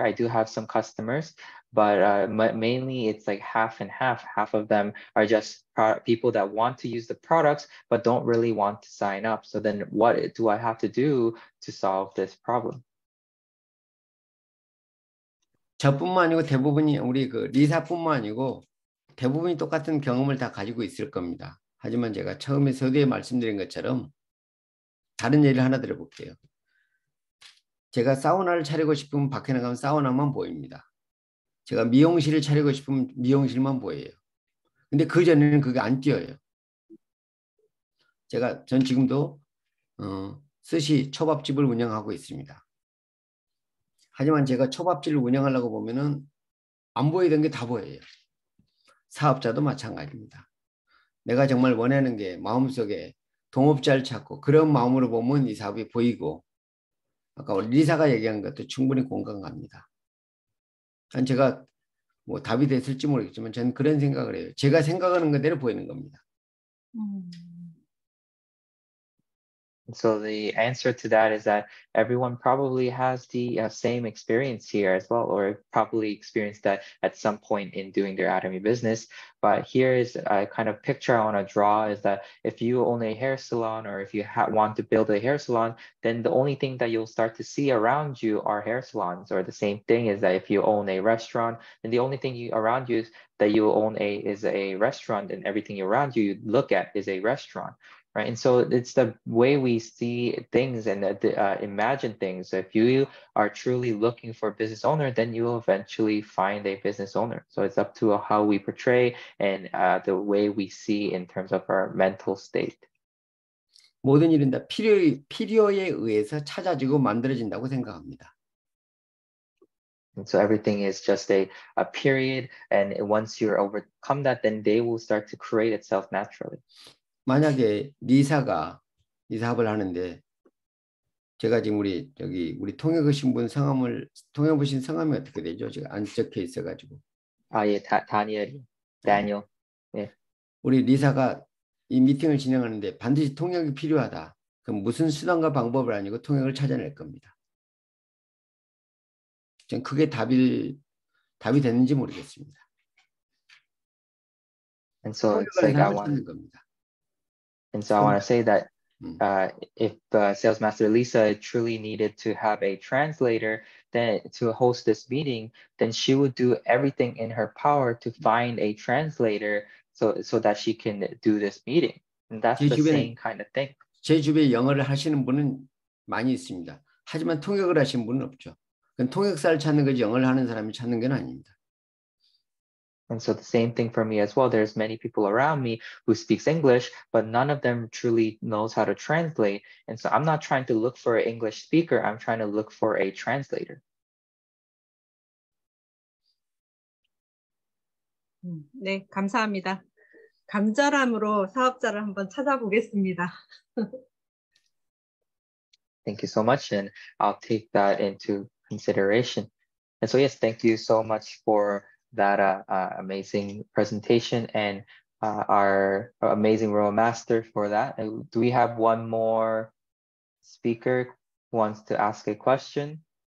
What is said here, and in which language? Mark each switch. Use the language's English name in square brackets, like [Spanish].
[English] I do have some customers, but mainly it's like half and half. Half of them are just people that want to use the products but don't really want to sign up. So then what do I have to do to solve this problem? [Korean] 저뿐만 아니고 대부분이 우리 그 리사뿐만 아니고 대부분이 똑같은 경험을 다 가지고 있을 겁니다. 하지만 제가 처음에 서두에 말씀드린 것처럼 다른 예를 하나 들어볼게요. 제가 사우나를 차리고 싶으면 밖에 나가면 사우나만 보입니다. 제가 미용실을 차리고 싶으면 미용실만 보여요. 근데 그 전에는 그게 안 띄어요. 제가 전 지금도 스시 초밥집을 운영하고 있습니다. 하지만 제가 초밥집을 운영하려고 보면은 안 보이던 게 다 보여요. 사업자도 마찬가지입니다. 내가 정말 원하는 게 마음속에 동업자를 찾고 그런 마음으로 보면 이 사업이 보이고 아까 우리 리사가 얘기한 것도 충분히 공감합니다. 전 제가 뭐 답이 됐을지 모르겠지만 저는 그런 생각을 해요. 제가 생각하는 그대로 보이는 겁니다. [English] So the answer to that is that everyone probably has the same experience here as well, or probably experienced that at some point in doing their Atomy business. But here is a kind of picture I want to draw is that if you own a hair salon or if you want to build a hair salon, then the only thing that you'll start to see around you are hair salons. Or the same thing is that if you own a restaurant, then the only thing around you that you own is a restaurant, and everything around you look at is a restaurant. Right, and so it's the way we see things and imagine things. So if you are truly looking for a business owner, then you will eventually find a business owner. So it's up to how we portray and the way we see in terms of our mental state. [Korean] 모든 일은 다 필요에 의해서 찾아지고 만들어진다고 생각합니다. [English] And so everything is just a period, and once you're overcome that, then they will start to create itself naturally. [Korean] 만약에 리사가 이 사업을 하는데 제가 지금 우리 여기 우리 통역하신 분 성함을 통역하신 성함이 어떻게 되죠? 제가 안 적혀 있어가지고 아 예 다니엘 예 우리 리사가 이 미팅을 진행하는데 반드시 통역이 필요하다 그럼 무슨 수단과 방법을 아니고 통역을 찾아낼 겁니다. 전 그게 답이 됐는지 모르겠습니다. [English] And so [Korean] 통역을 겁니다. [English] And so I want to say that if Sales Master Lisa truly needed to have a translator then to host this meeting, then she would do everything in her power to find a translator so that she can do this meeting. And that's the same kind of thing. [Korean] 제 주변에 영어를 하시는 분은 많이 있습니다. 하지만 통역을 하신 분은 없죠. 그냥 통역사를 찾는 거지 영어를 하는 사람이 찾는 건 아닙니다. [English] And so the same thing for me as well. There's many people around me who speaks English, but none of them truly knows how to translate. And so I'm not trying to look for an English speaker. I'm trying to look for a translator. [Korean] Mm, 네, 감사합니다. 감자람으로 사업자를 한번 찾아보겠습니다. [English] Thank you so much, and I'll take that into consideration. And so, yes, thank you so much for that amazing presentation and our amazing role master for that. And do we have one more speaker who wants to ask a question?